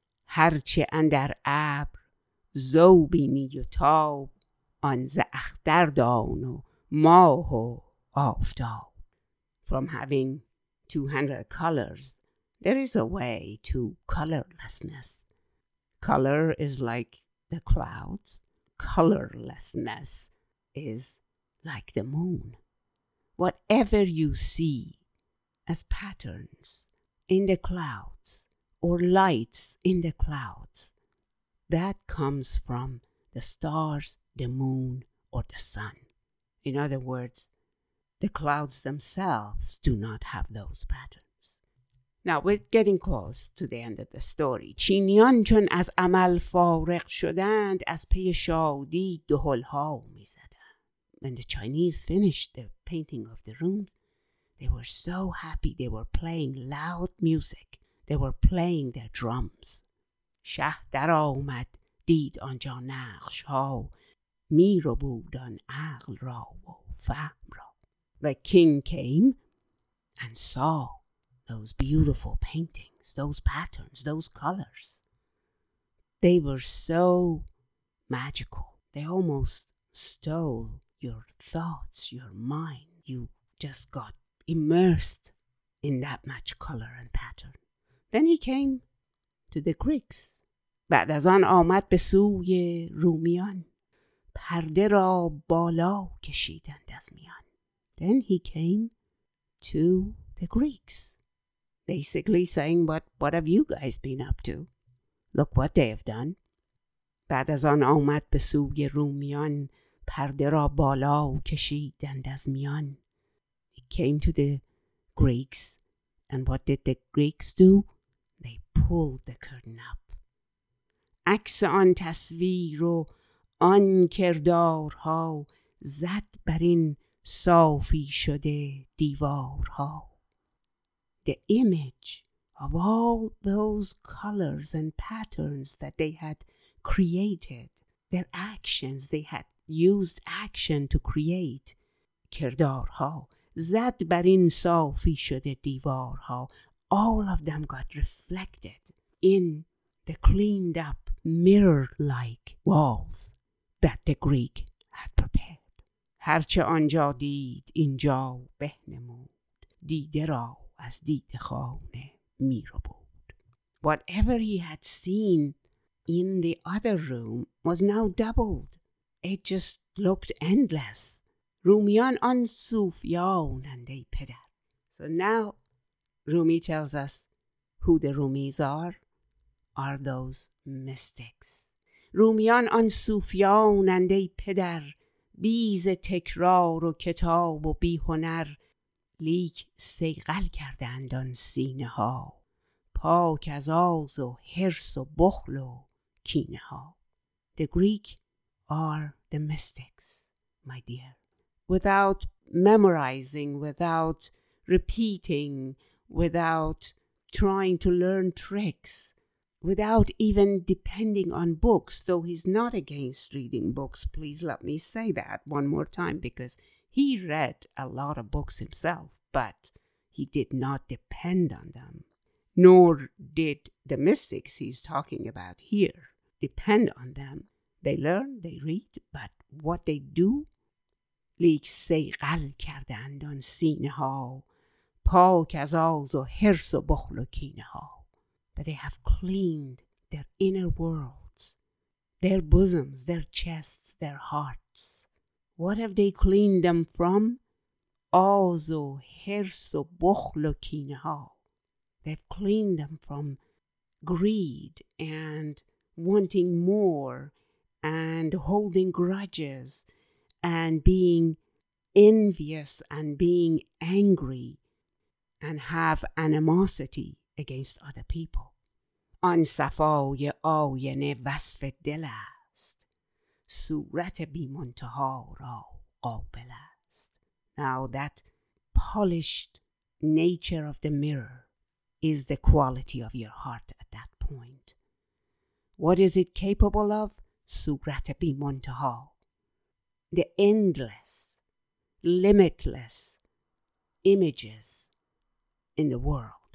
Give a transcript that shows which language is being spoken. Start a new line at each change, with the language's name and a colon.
Persian: Harche andar ab زو بینی و تاب آن ز اختر دان و ماه و آفتاب.
English: From having 200 colors, there is a way to colorlessness. Color is like the clouds. Colorlessness is like the moon. Whatever you see as patterns in the clouds or lights in the clouds, that comes from the stars, the moon, or the sun. In other words, the clouds themselves do not have those patterns. Now, we're getting close to the end of the story.
Persian: چینیان چون از عمل فارغ شدند از پی شادی دهل ها می زدند.
English: When the Chinese finished the painting of the room, they were so happy. They were playing loud music. They were playing their drums.
Persian: شه در آمد دید آنجا نقش ها، می رو بودان عقل را و فهم را.
English: The king came and saw those beautiful paintings, those patterns, those colors. They were so magical. They almost stole your thoughts, your mind. You just got immersed in that much color and pattern. Then he came to the Greeks.
Persian: بعد از آن آمد به سوی رومیان، پرده را بالا کشیدند از میان.
English: Then he came to the Greeks, basically saying, what have you guys been up to? Look what they have done.
Persian: بعد از آن آمد به سوی رومیان، پرده را بالا کشیدند از میان.
English: He came to the Greeks, and what did the Greeks do? They pulled the curtain up.
Persian: عکس آن تصویر و آن کردارها زد بر این صافی شده دیوارها.
English: The image of all those colors and patterns that they had created, their actions, they had used action to create,
Persian: کردارها زد بر این صافی شده دیوارها.
English: All of them got reflected in the cleaned up mirror-like walls that the Greek had prepared.
Persian: هرچه آنجا دید اینجا بهنمود، دیده را از دید خانه می رو بود.
English: Whatever he had seen in the other room was now doubled. It just looked endless.
Persian: رومیان آن صوفیانند ای پدر.
English: So now Rumi tells us who the Rumis are those mystics.
Persian: رومیان آن صوفیانند ای پدر، بیز تکرار و کتاب و بی هنر، لیک سیغل کردند آن سینه ها، پاک از آز و حرص و بخل و کینه ها.
English: The Greek are the mystics, my dear. Without memorizing, without repeating, without trying to learn tricks, without even depending on books, though he's not against reading books, please let me say that one more time, because he read a lot of books himself, but he did not depend on them, nor did the mystics he's talking about here depend on them. They learn, they read, but what they do,
Persian: لیک سیغل کردند آن سینه ها، پاک از آز و حرص و بخل و کینه ها.
English: That they have cleaned their inner worlds, their bosoms, their chests, their hearts. What have they cleaned them from?
Persian: آز و حرص و بخل و کینه ها.
English: They've cleaned them from greed and wanting more and holding grudges and being envious and being angry and have animosity against other people.
Persian: آن صفای آینه وصف دل است، صورت بی منتها را قابل است.
English: Now that polished nature of the mirror is the quality of your heart at that point. What is it capable of?
Persian: صورت بی منتها.
English: The endless, limitless images in the world.